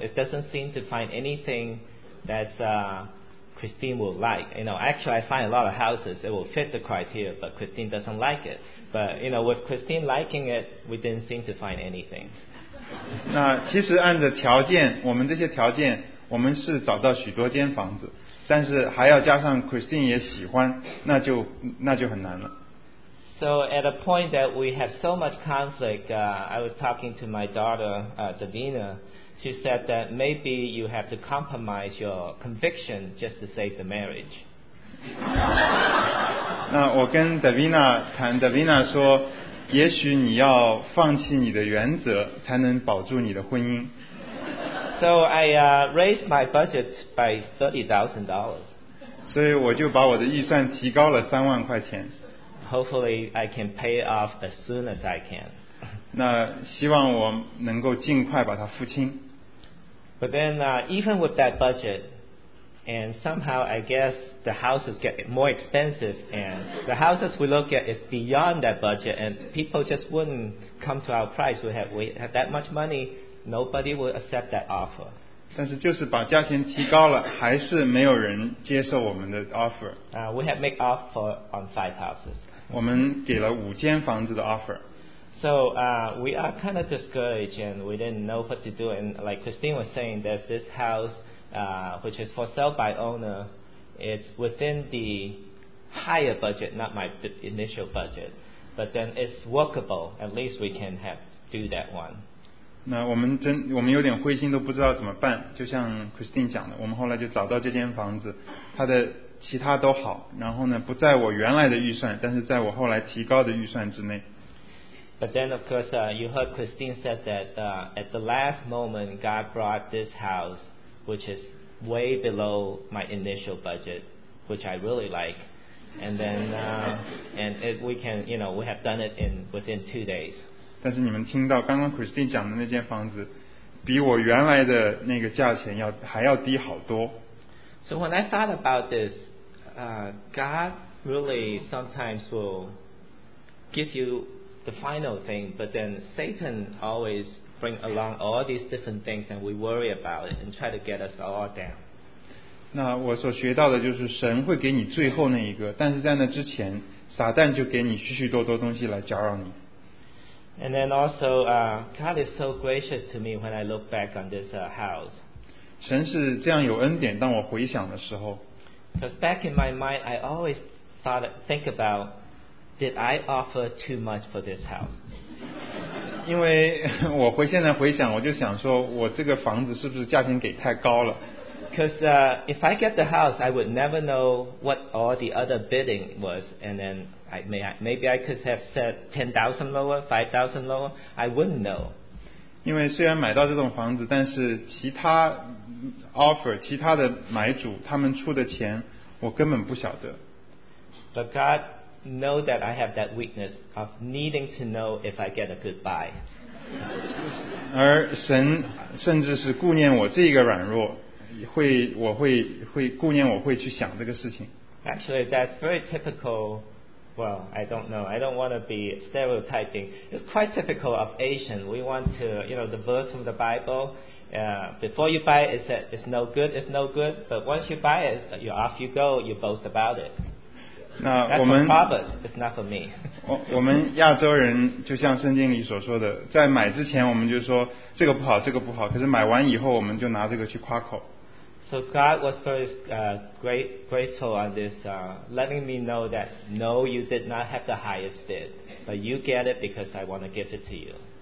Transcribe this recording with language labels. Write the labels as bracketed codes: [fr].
[en] It doesn't seem to find anything that Christine will like. You know, actually, I find a lot of houses that will fit the criteria, but Christine doesn't like it. But you know, with Christine liking it, we didn't seem to find anything. [zh] 那其实按着条件，我们这些条件，我们是找到许多间房子，但是还要加上 Christine 也喜欢，那就很难了。 [en] So at a point that we have so much conflict, I was talking to my daughter, Davina. She said that maybe you have to compromise your conviction just to save the marriage. [zh] 那我跟 Davina 谈 ，Davina 说，也许你要放弃你的原则，才能保住你的婚姻。 [en] So I raised my budget by $30,000. [zh] 所以我就把我的预算提高了30,000块钱。 [en] Hopefully I can pay it off as soon as I can. [zh] 那希望我能够尽快把它付清。 [en] But then, even with that budget, and somehow I guess the houses get more expensive, and the houses we look at is beyond that budget, and people just wouldn't come to our price. We have that much money, nobody would accept that offer. [zh] 但是就是把价钱提高了，还是没有人接受我们的 offer. [en] We have made offer on 5 houses. [zh] 我们给了5间房子的 offer. [en] So we are kind of discouraged, and we didn't know what to do. And like Christine was saying, there's this house which is for sale by owner. It's within the higher budget, not my initial budget. But then it's workable. At least we can have do that one. [zh] 那我们有点灰心，都不知道怎么办。就像 Christine 讲的，我们后来就找到这间房子，它的其他都好，然后呢不在我原来的预算，但是在我后来提高的预算之内。 [en] But then, of course, you heard Christine said that at the last moment, God brought this house, which is way below my initial budget, which I really like. And then, we have done it within 2 days. [zh] 但是你们听到刚刚 Christine 讲的那间房子，比我原来的那个价钱还要低好多。 [en] So when I thought about this, God really sometimes will give you the final thing, but then Satan always bring along all these different things and we worry about it and try to get us all down. [zh] 那我所学到的就是神会给你最后那一个, 但是在那之前, 撒旦就给你许许多多东西来搅扰你。 [en] And then also, God is so gracious to me when I look back on this house. [zh] 神是这样有恩典, 当我回想的时候, [en] because back in my mind, I always thought, think about, did I offer too much for this house? [zh] 因为我现在回想, 我就想说, 我这个房子是不是价钱给太高了? [en] Because if I get the house, I would never know what all the other bidding was, and then maybe I could have said 10,000 lower, 5,000 lower. I wouldn't know. [zh] 因为虽然买到这栋房子，但是其他 offer, 其他的买主他们出的钱，我根本不晓得. [en] But God know that I have that weakness of needing to know if I get a good buy. [zh] 而神甚至是顾念我这一个软弱。会，我会顾念，我会去想这个事情。 [en] Actually, that's very typical. Well, I don't know. I don't want to be stereotyping. It's quite typical of Asian. We want to, you know, the verse from the Bible. Before you buy it, it said it's no good, it's no good. But once you buy it, you off you go. You boast about it. [zh] 那我们, [en] that's for Proverbs. It's not for me. [zh] 我们亚洲人就像圣经里所说的，在买之前我们就说这个不好，这个不好。可是买完以后，我们就拿这个去夸口。 [en] So God was very graceful on this, letting me know that no, you did not have the highest bid, but you get it because I want to give it to you.